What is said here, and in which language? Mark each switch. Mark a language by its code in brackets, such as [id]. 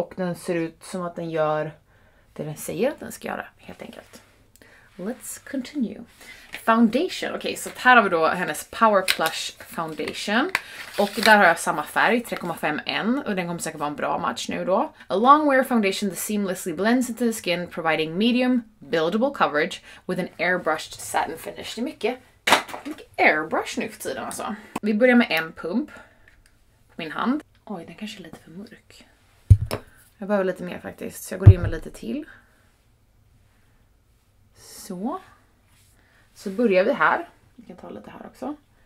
[sv] Och den ser ut som att den gör det den säger att den ska göra, helt enkelt. [en] Let's continue. [sv] Foundation. Okej, okay, så här har vi då hennes Power Plush Foundation. Och där har jag samma färg, 3,5N. Och den kommer säkert vara en bra match nu då. [en] A long wear foundation that seamlessly blends into the skin, providing medium, buildable coverage with an airbrushed satin finish. [sv] Det är mycket, mycket airbrush nu för tiden alltså. Vi börjar med en pump på min hand. Oj, den kanske är lite för mörk. Jag behöver lite mer faktiskt, så jag går in med lite till. Så. Så börjar vi här. Vi kan ta lite här också.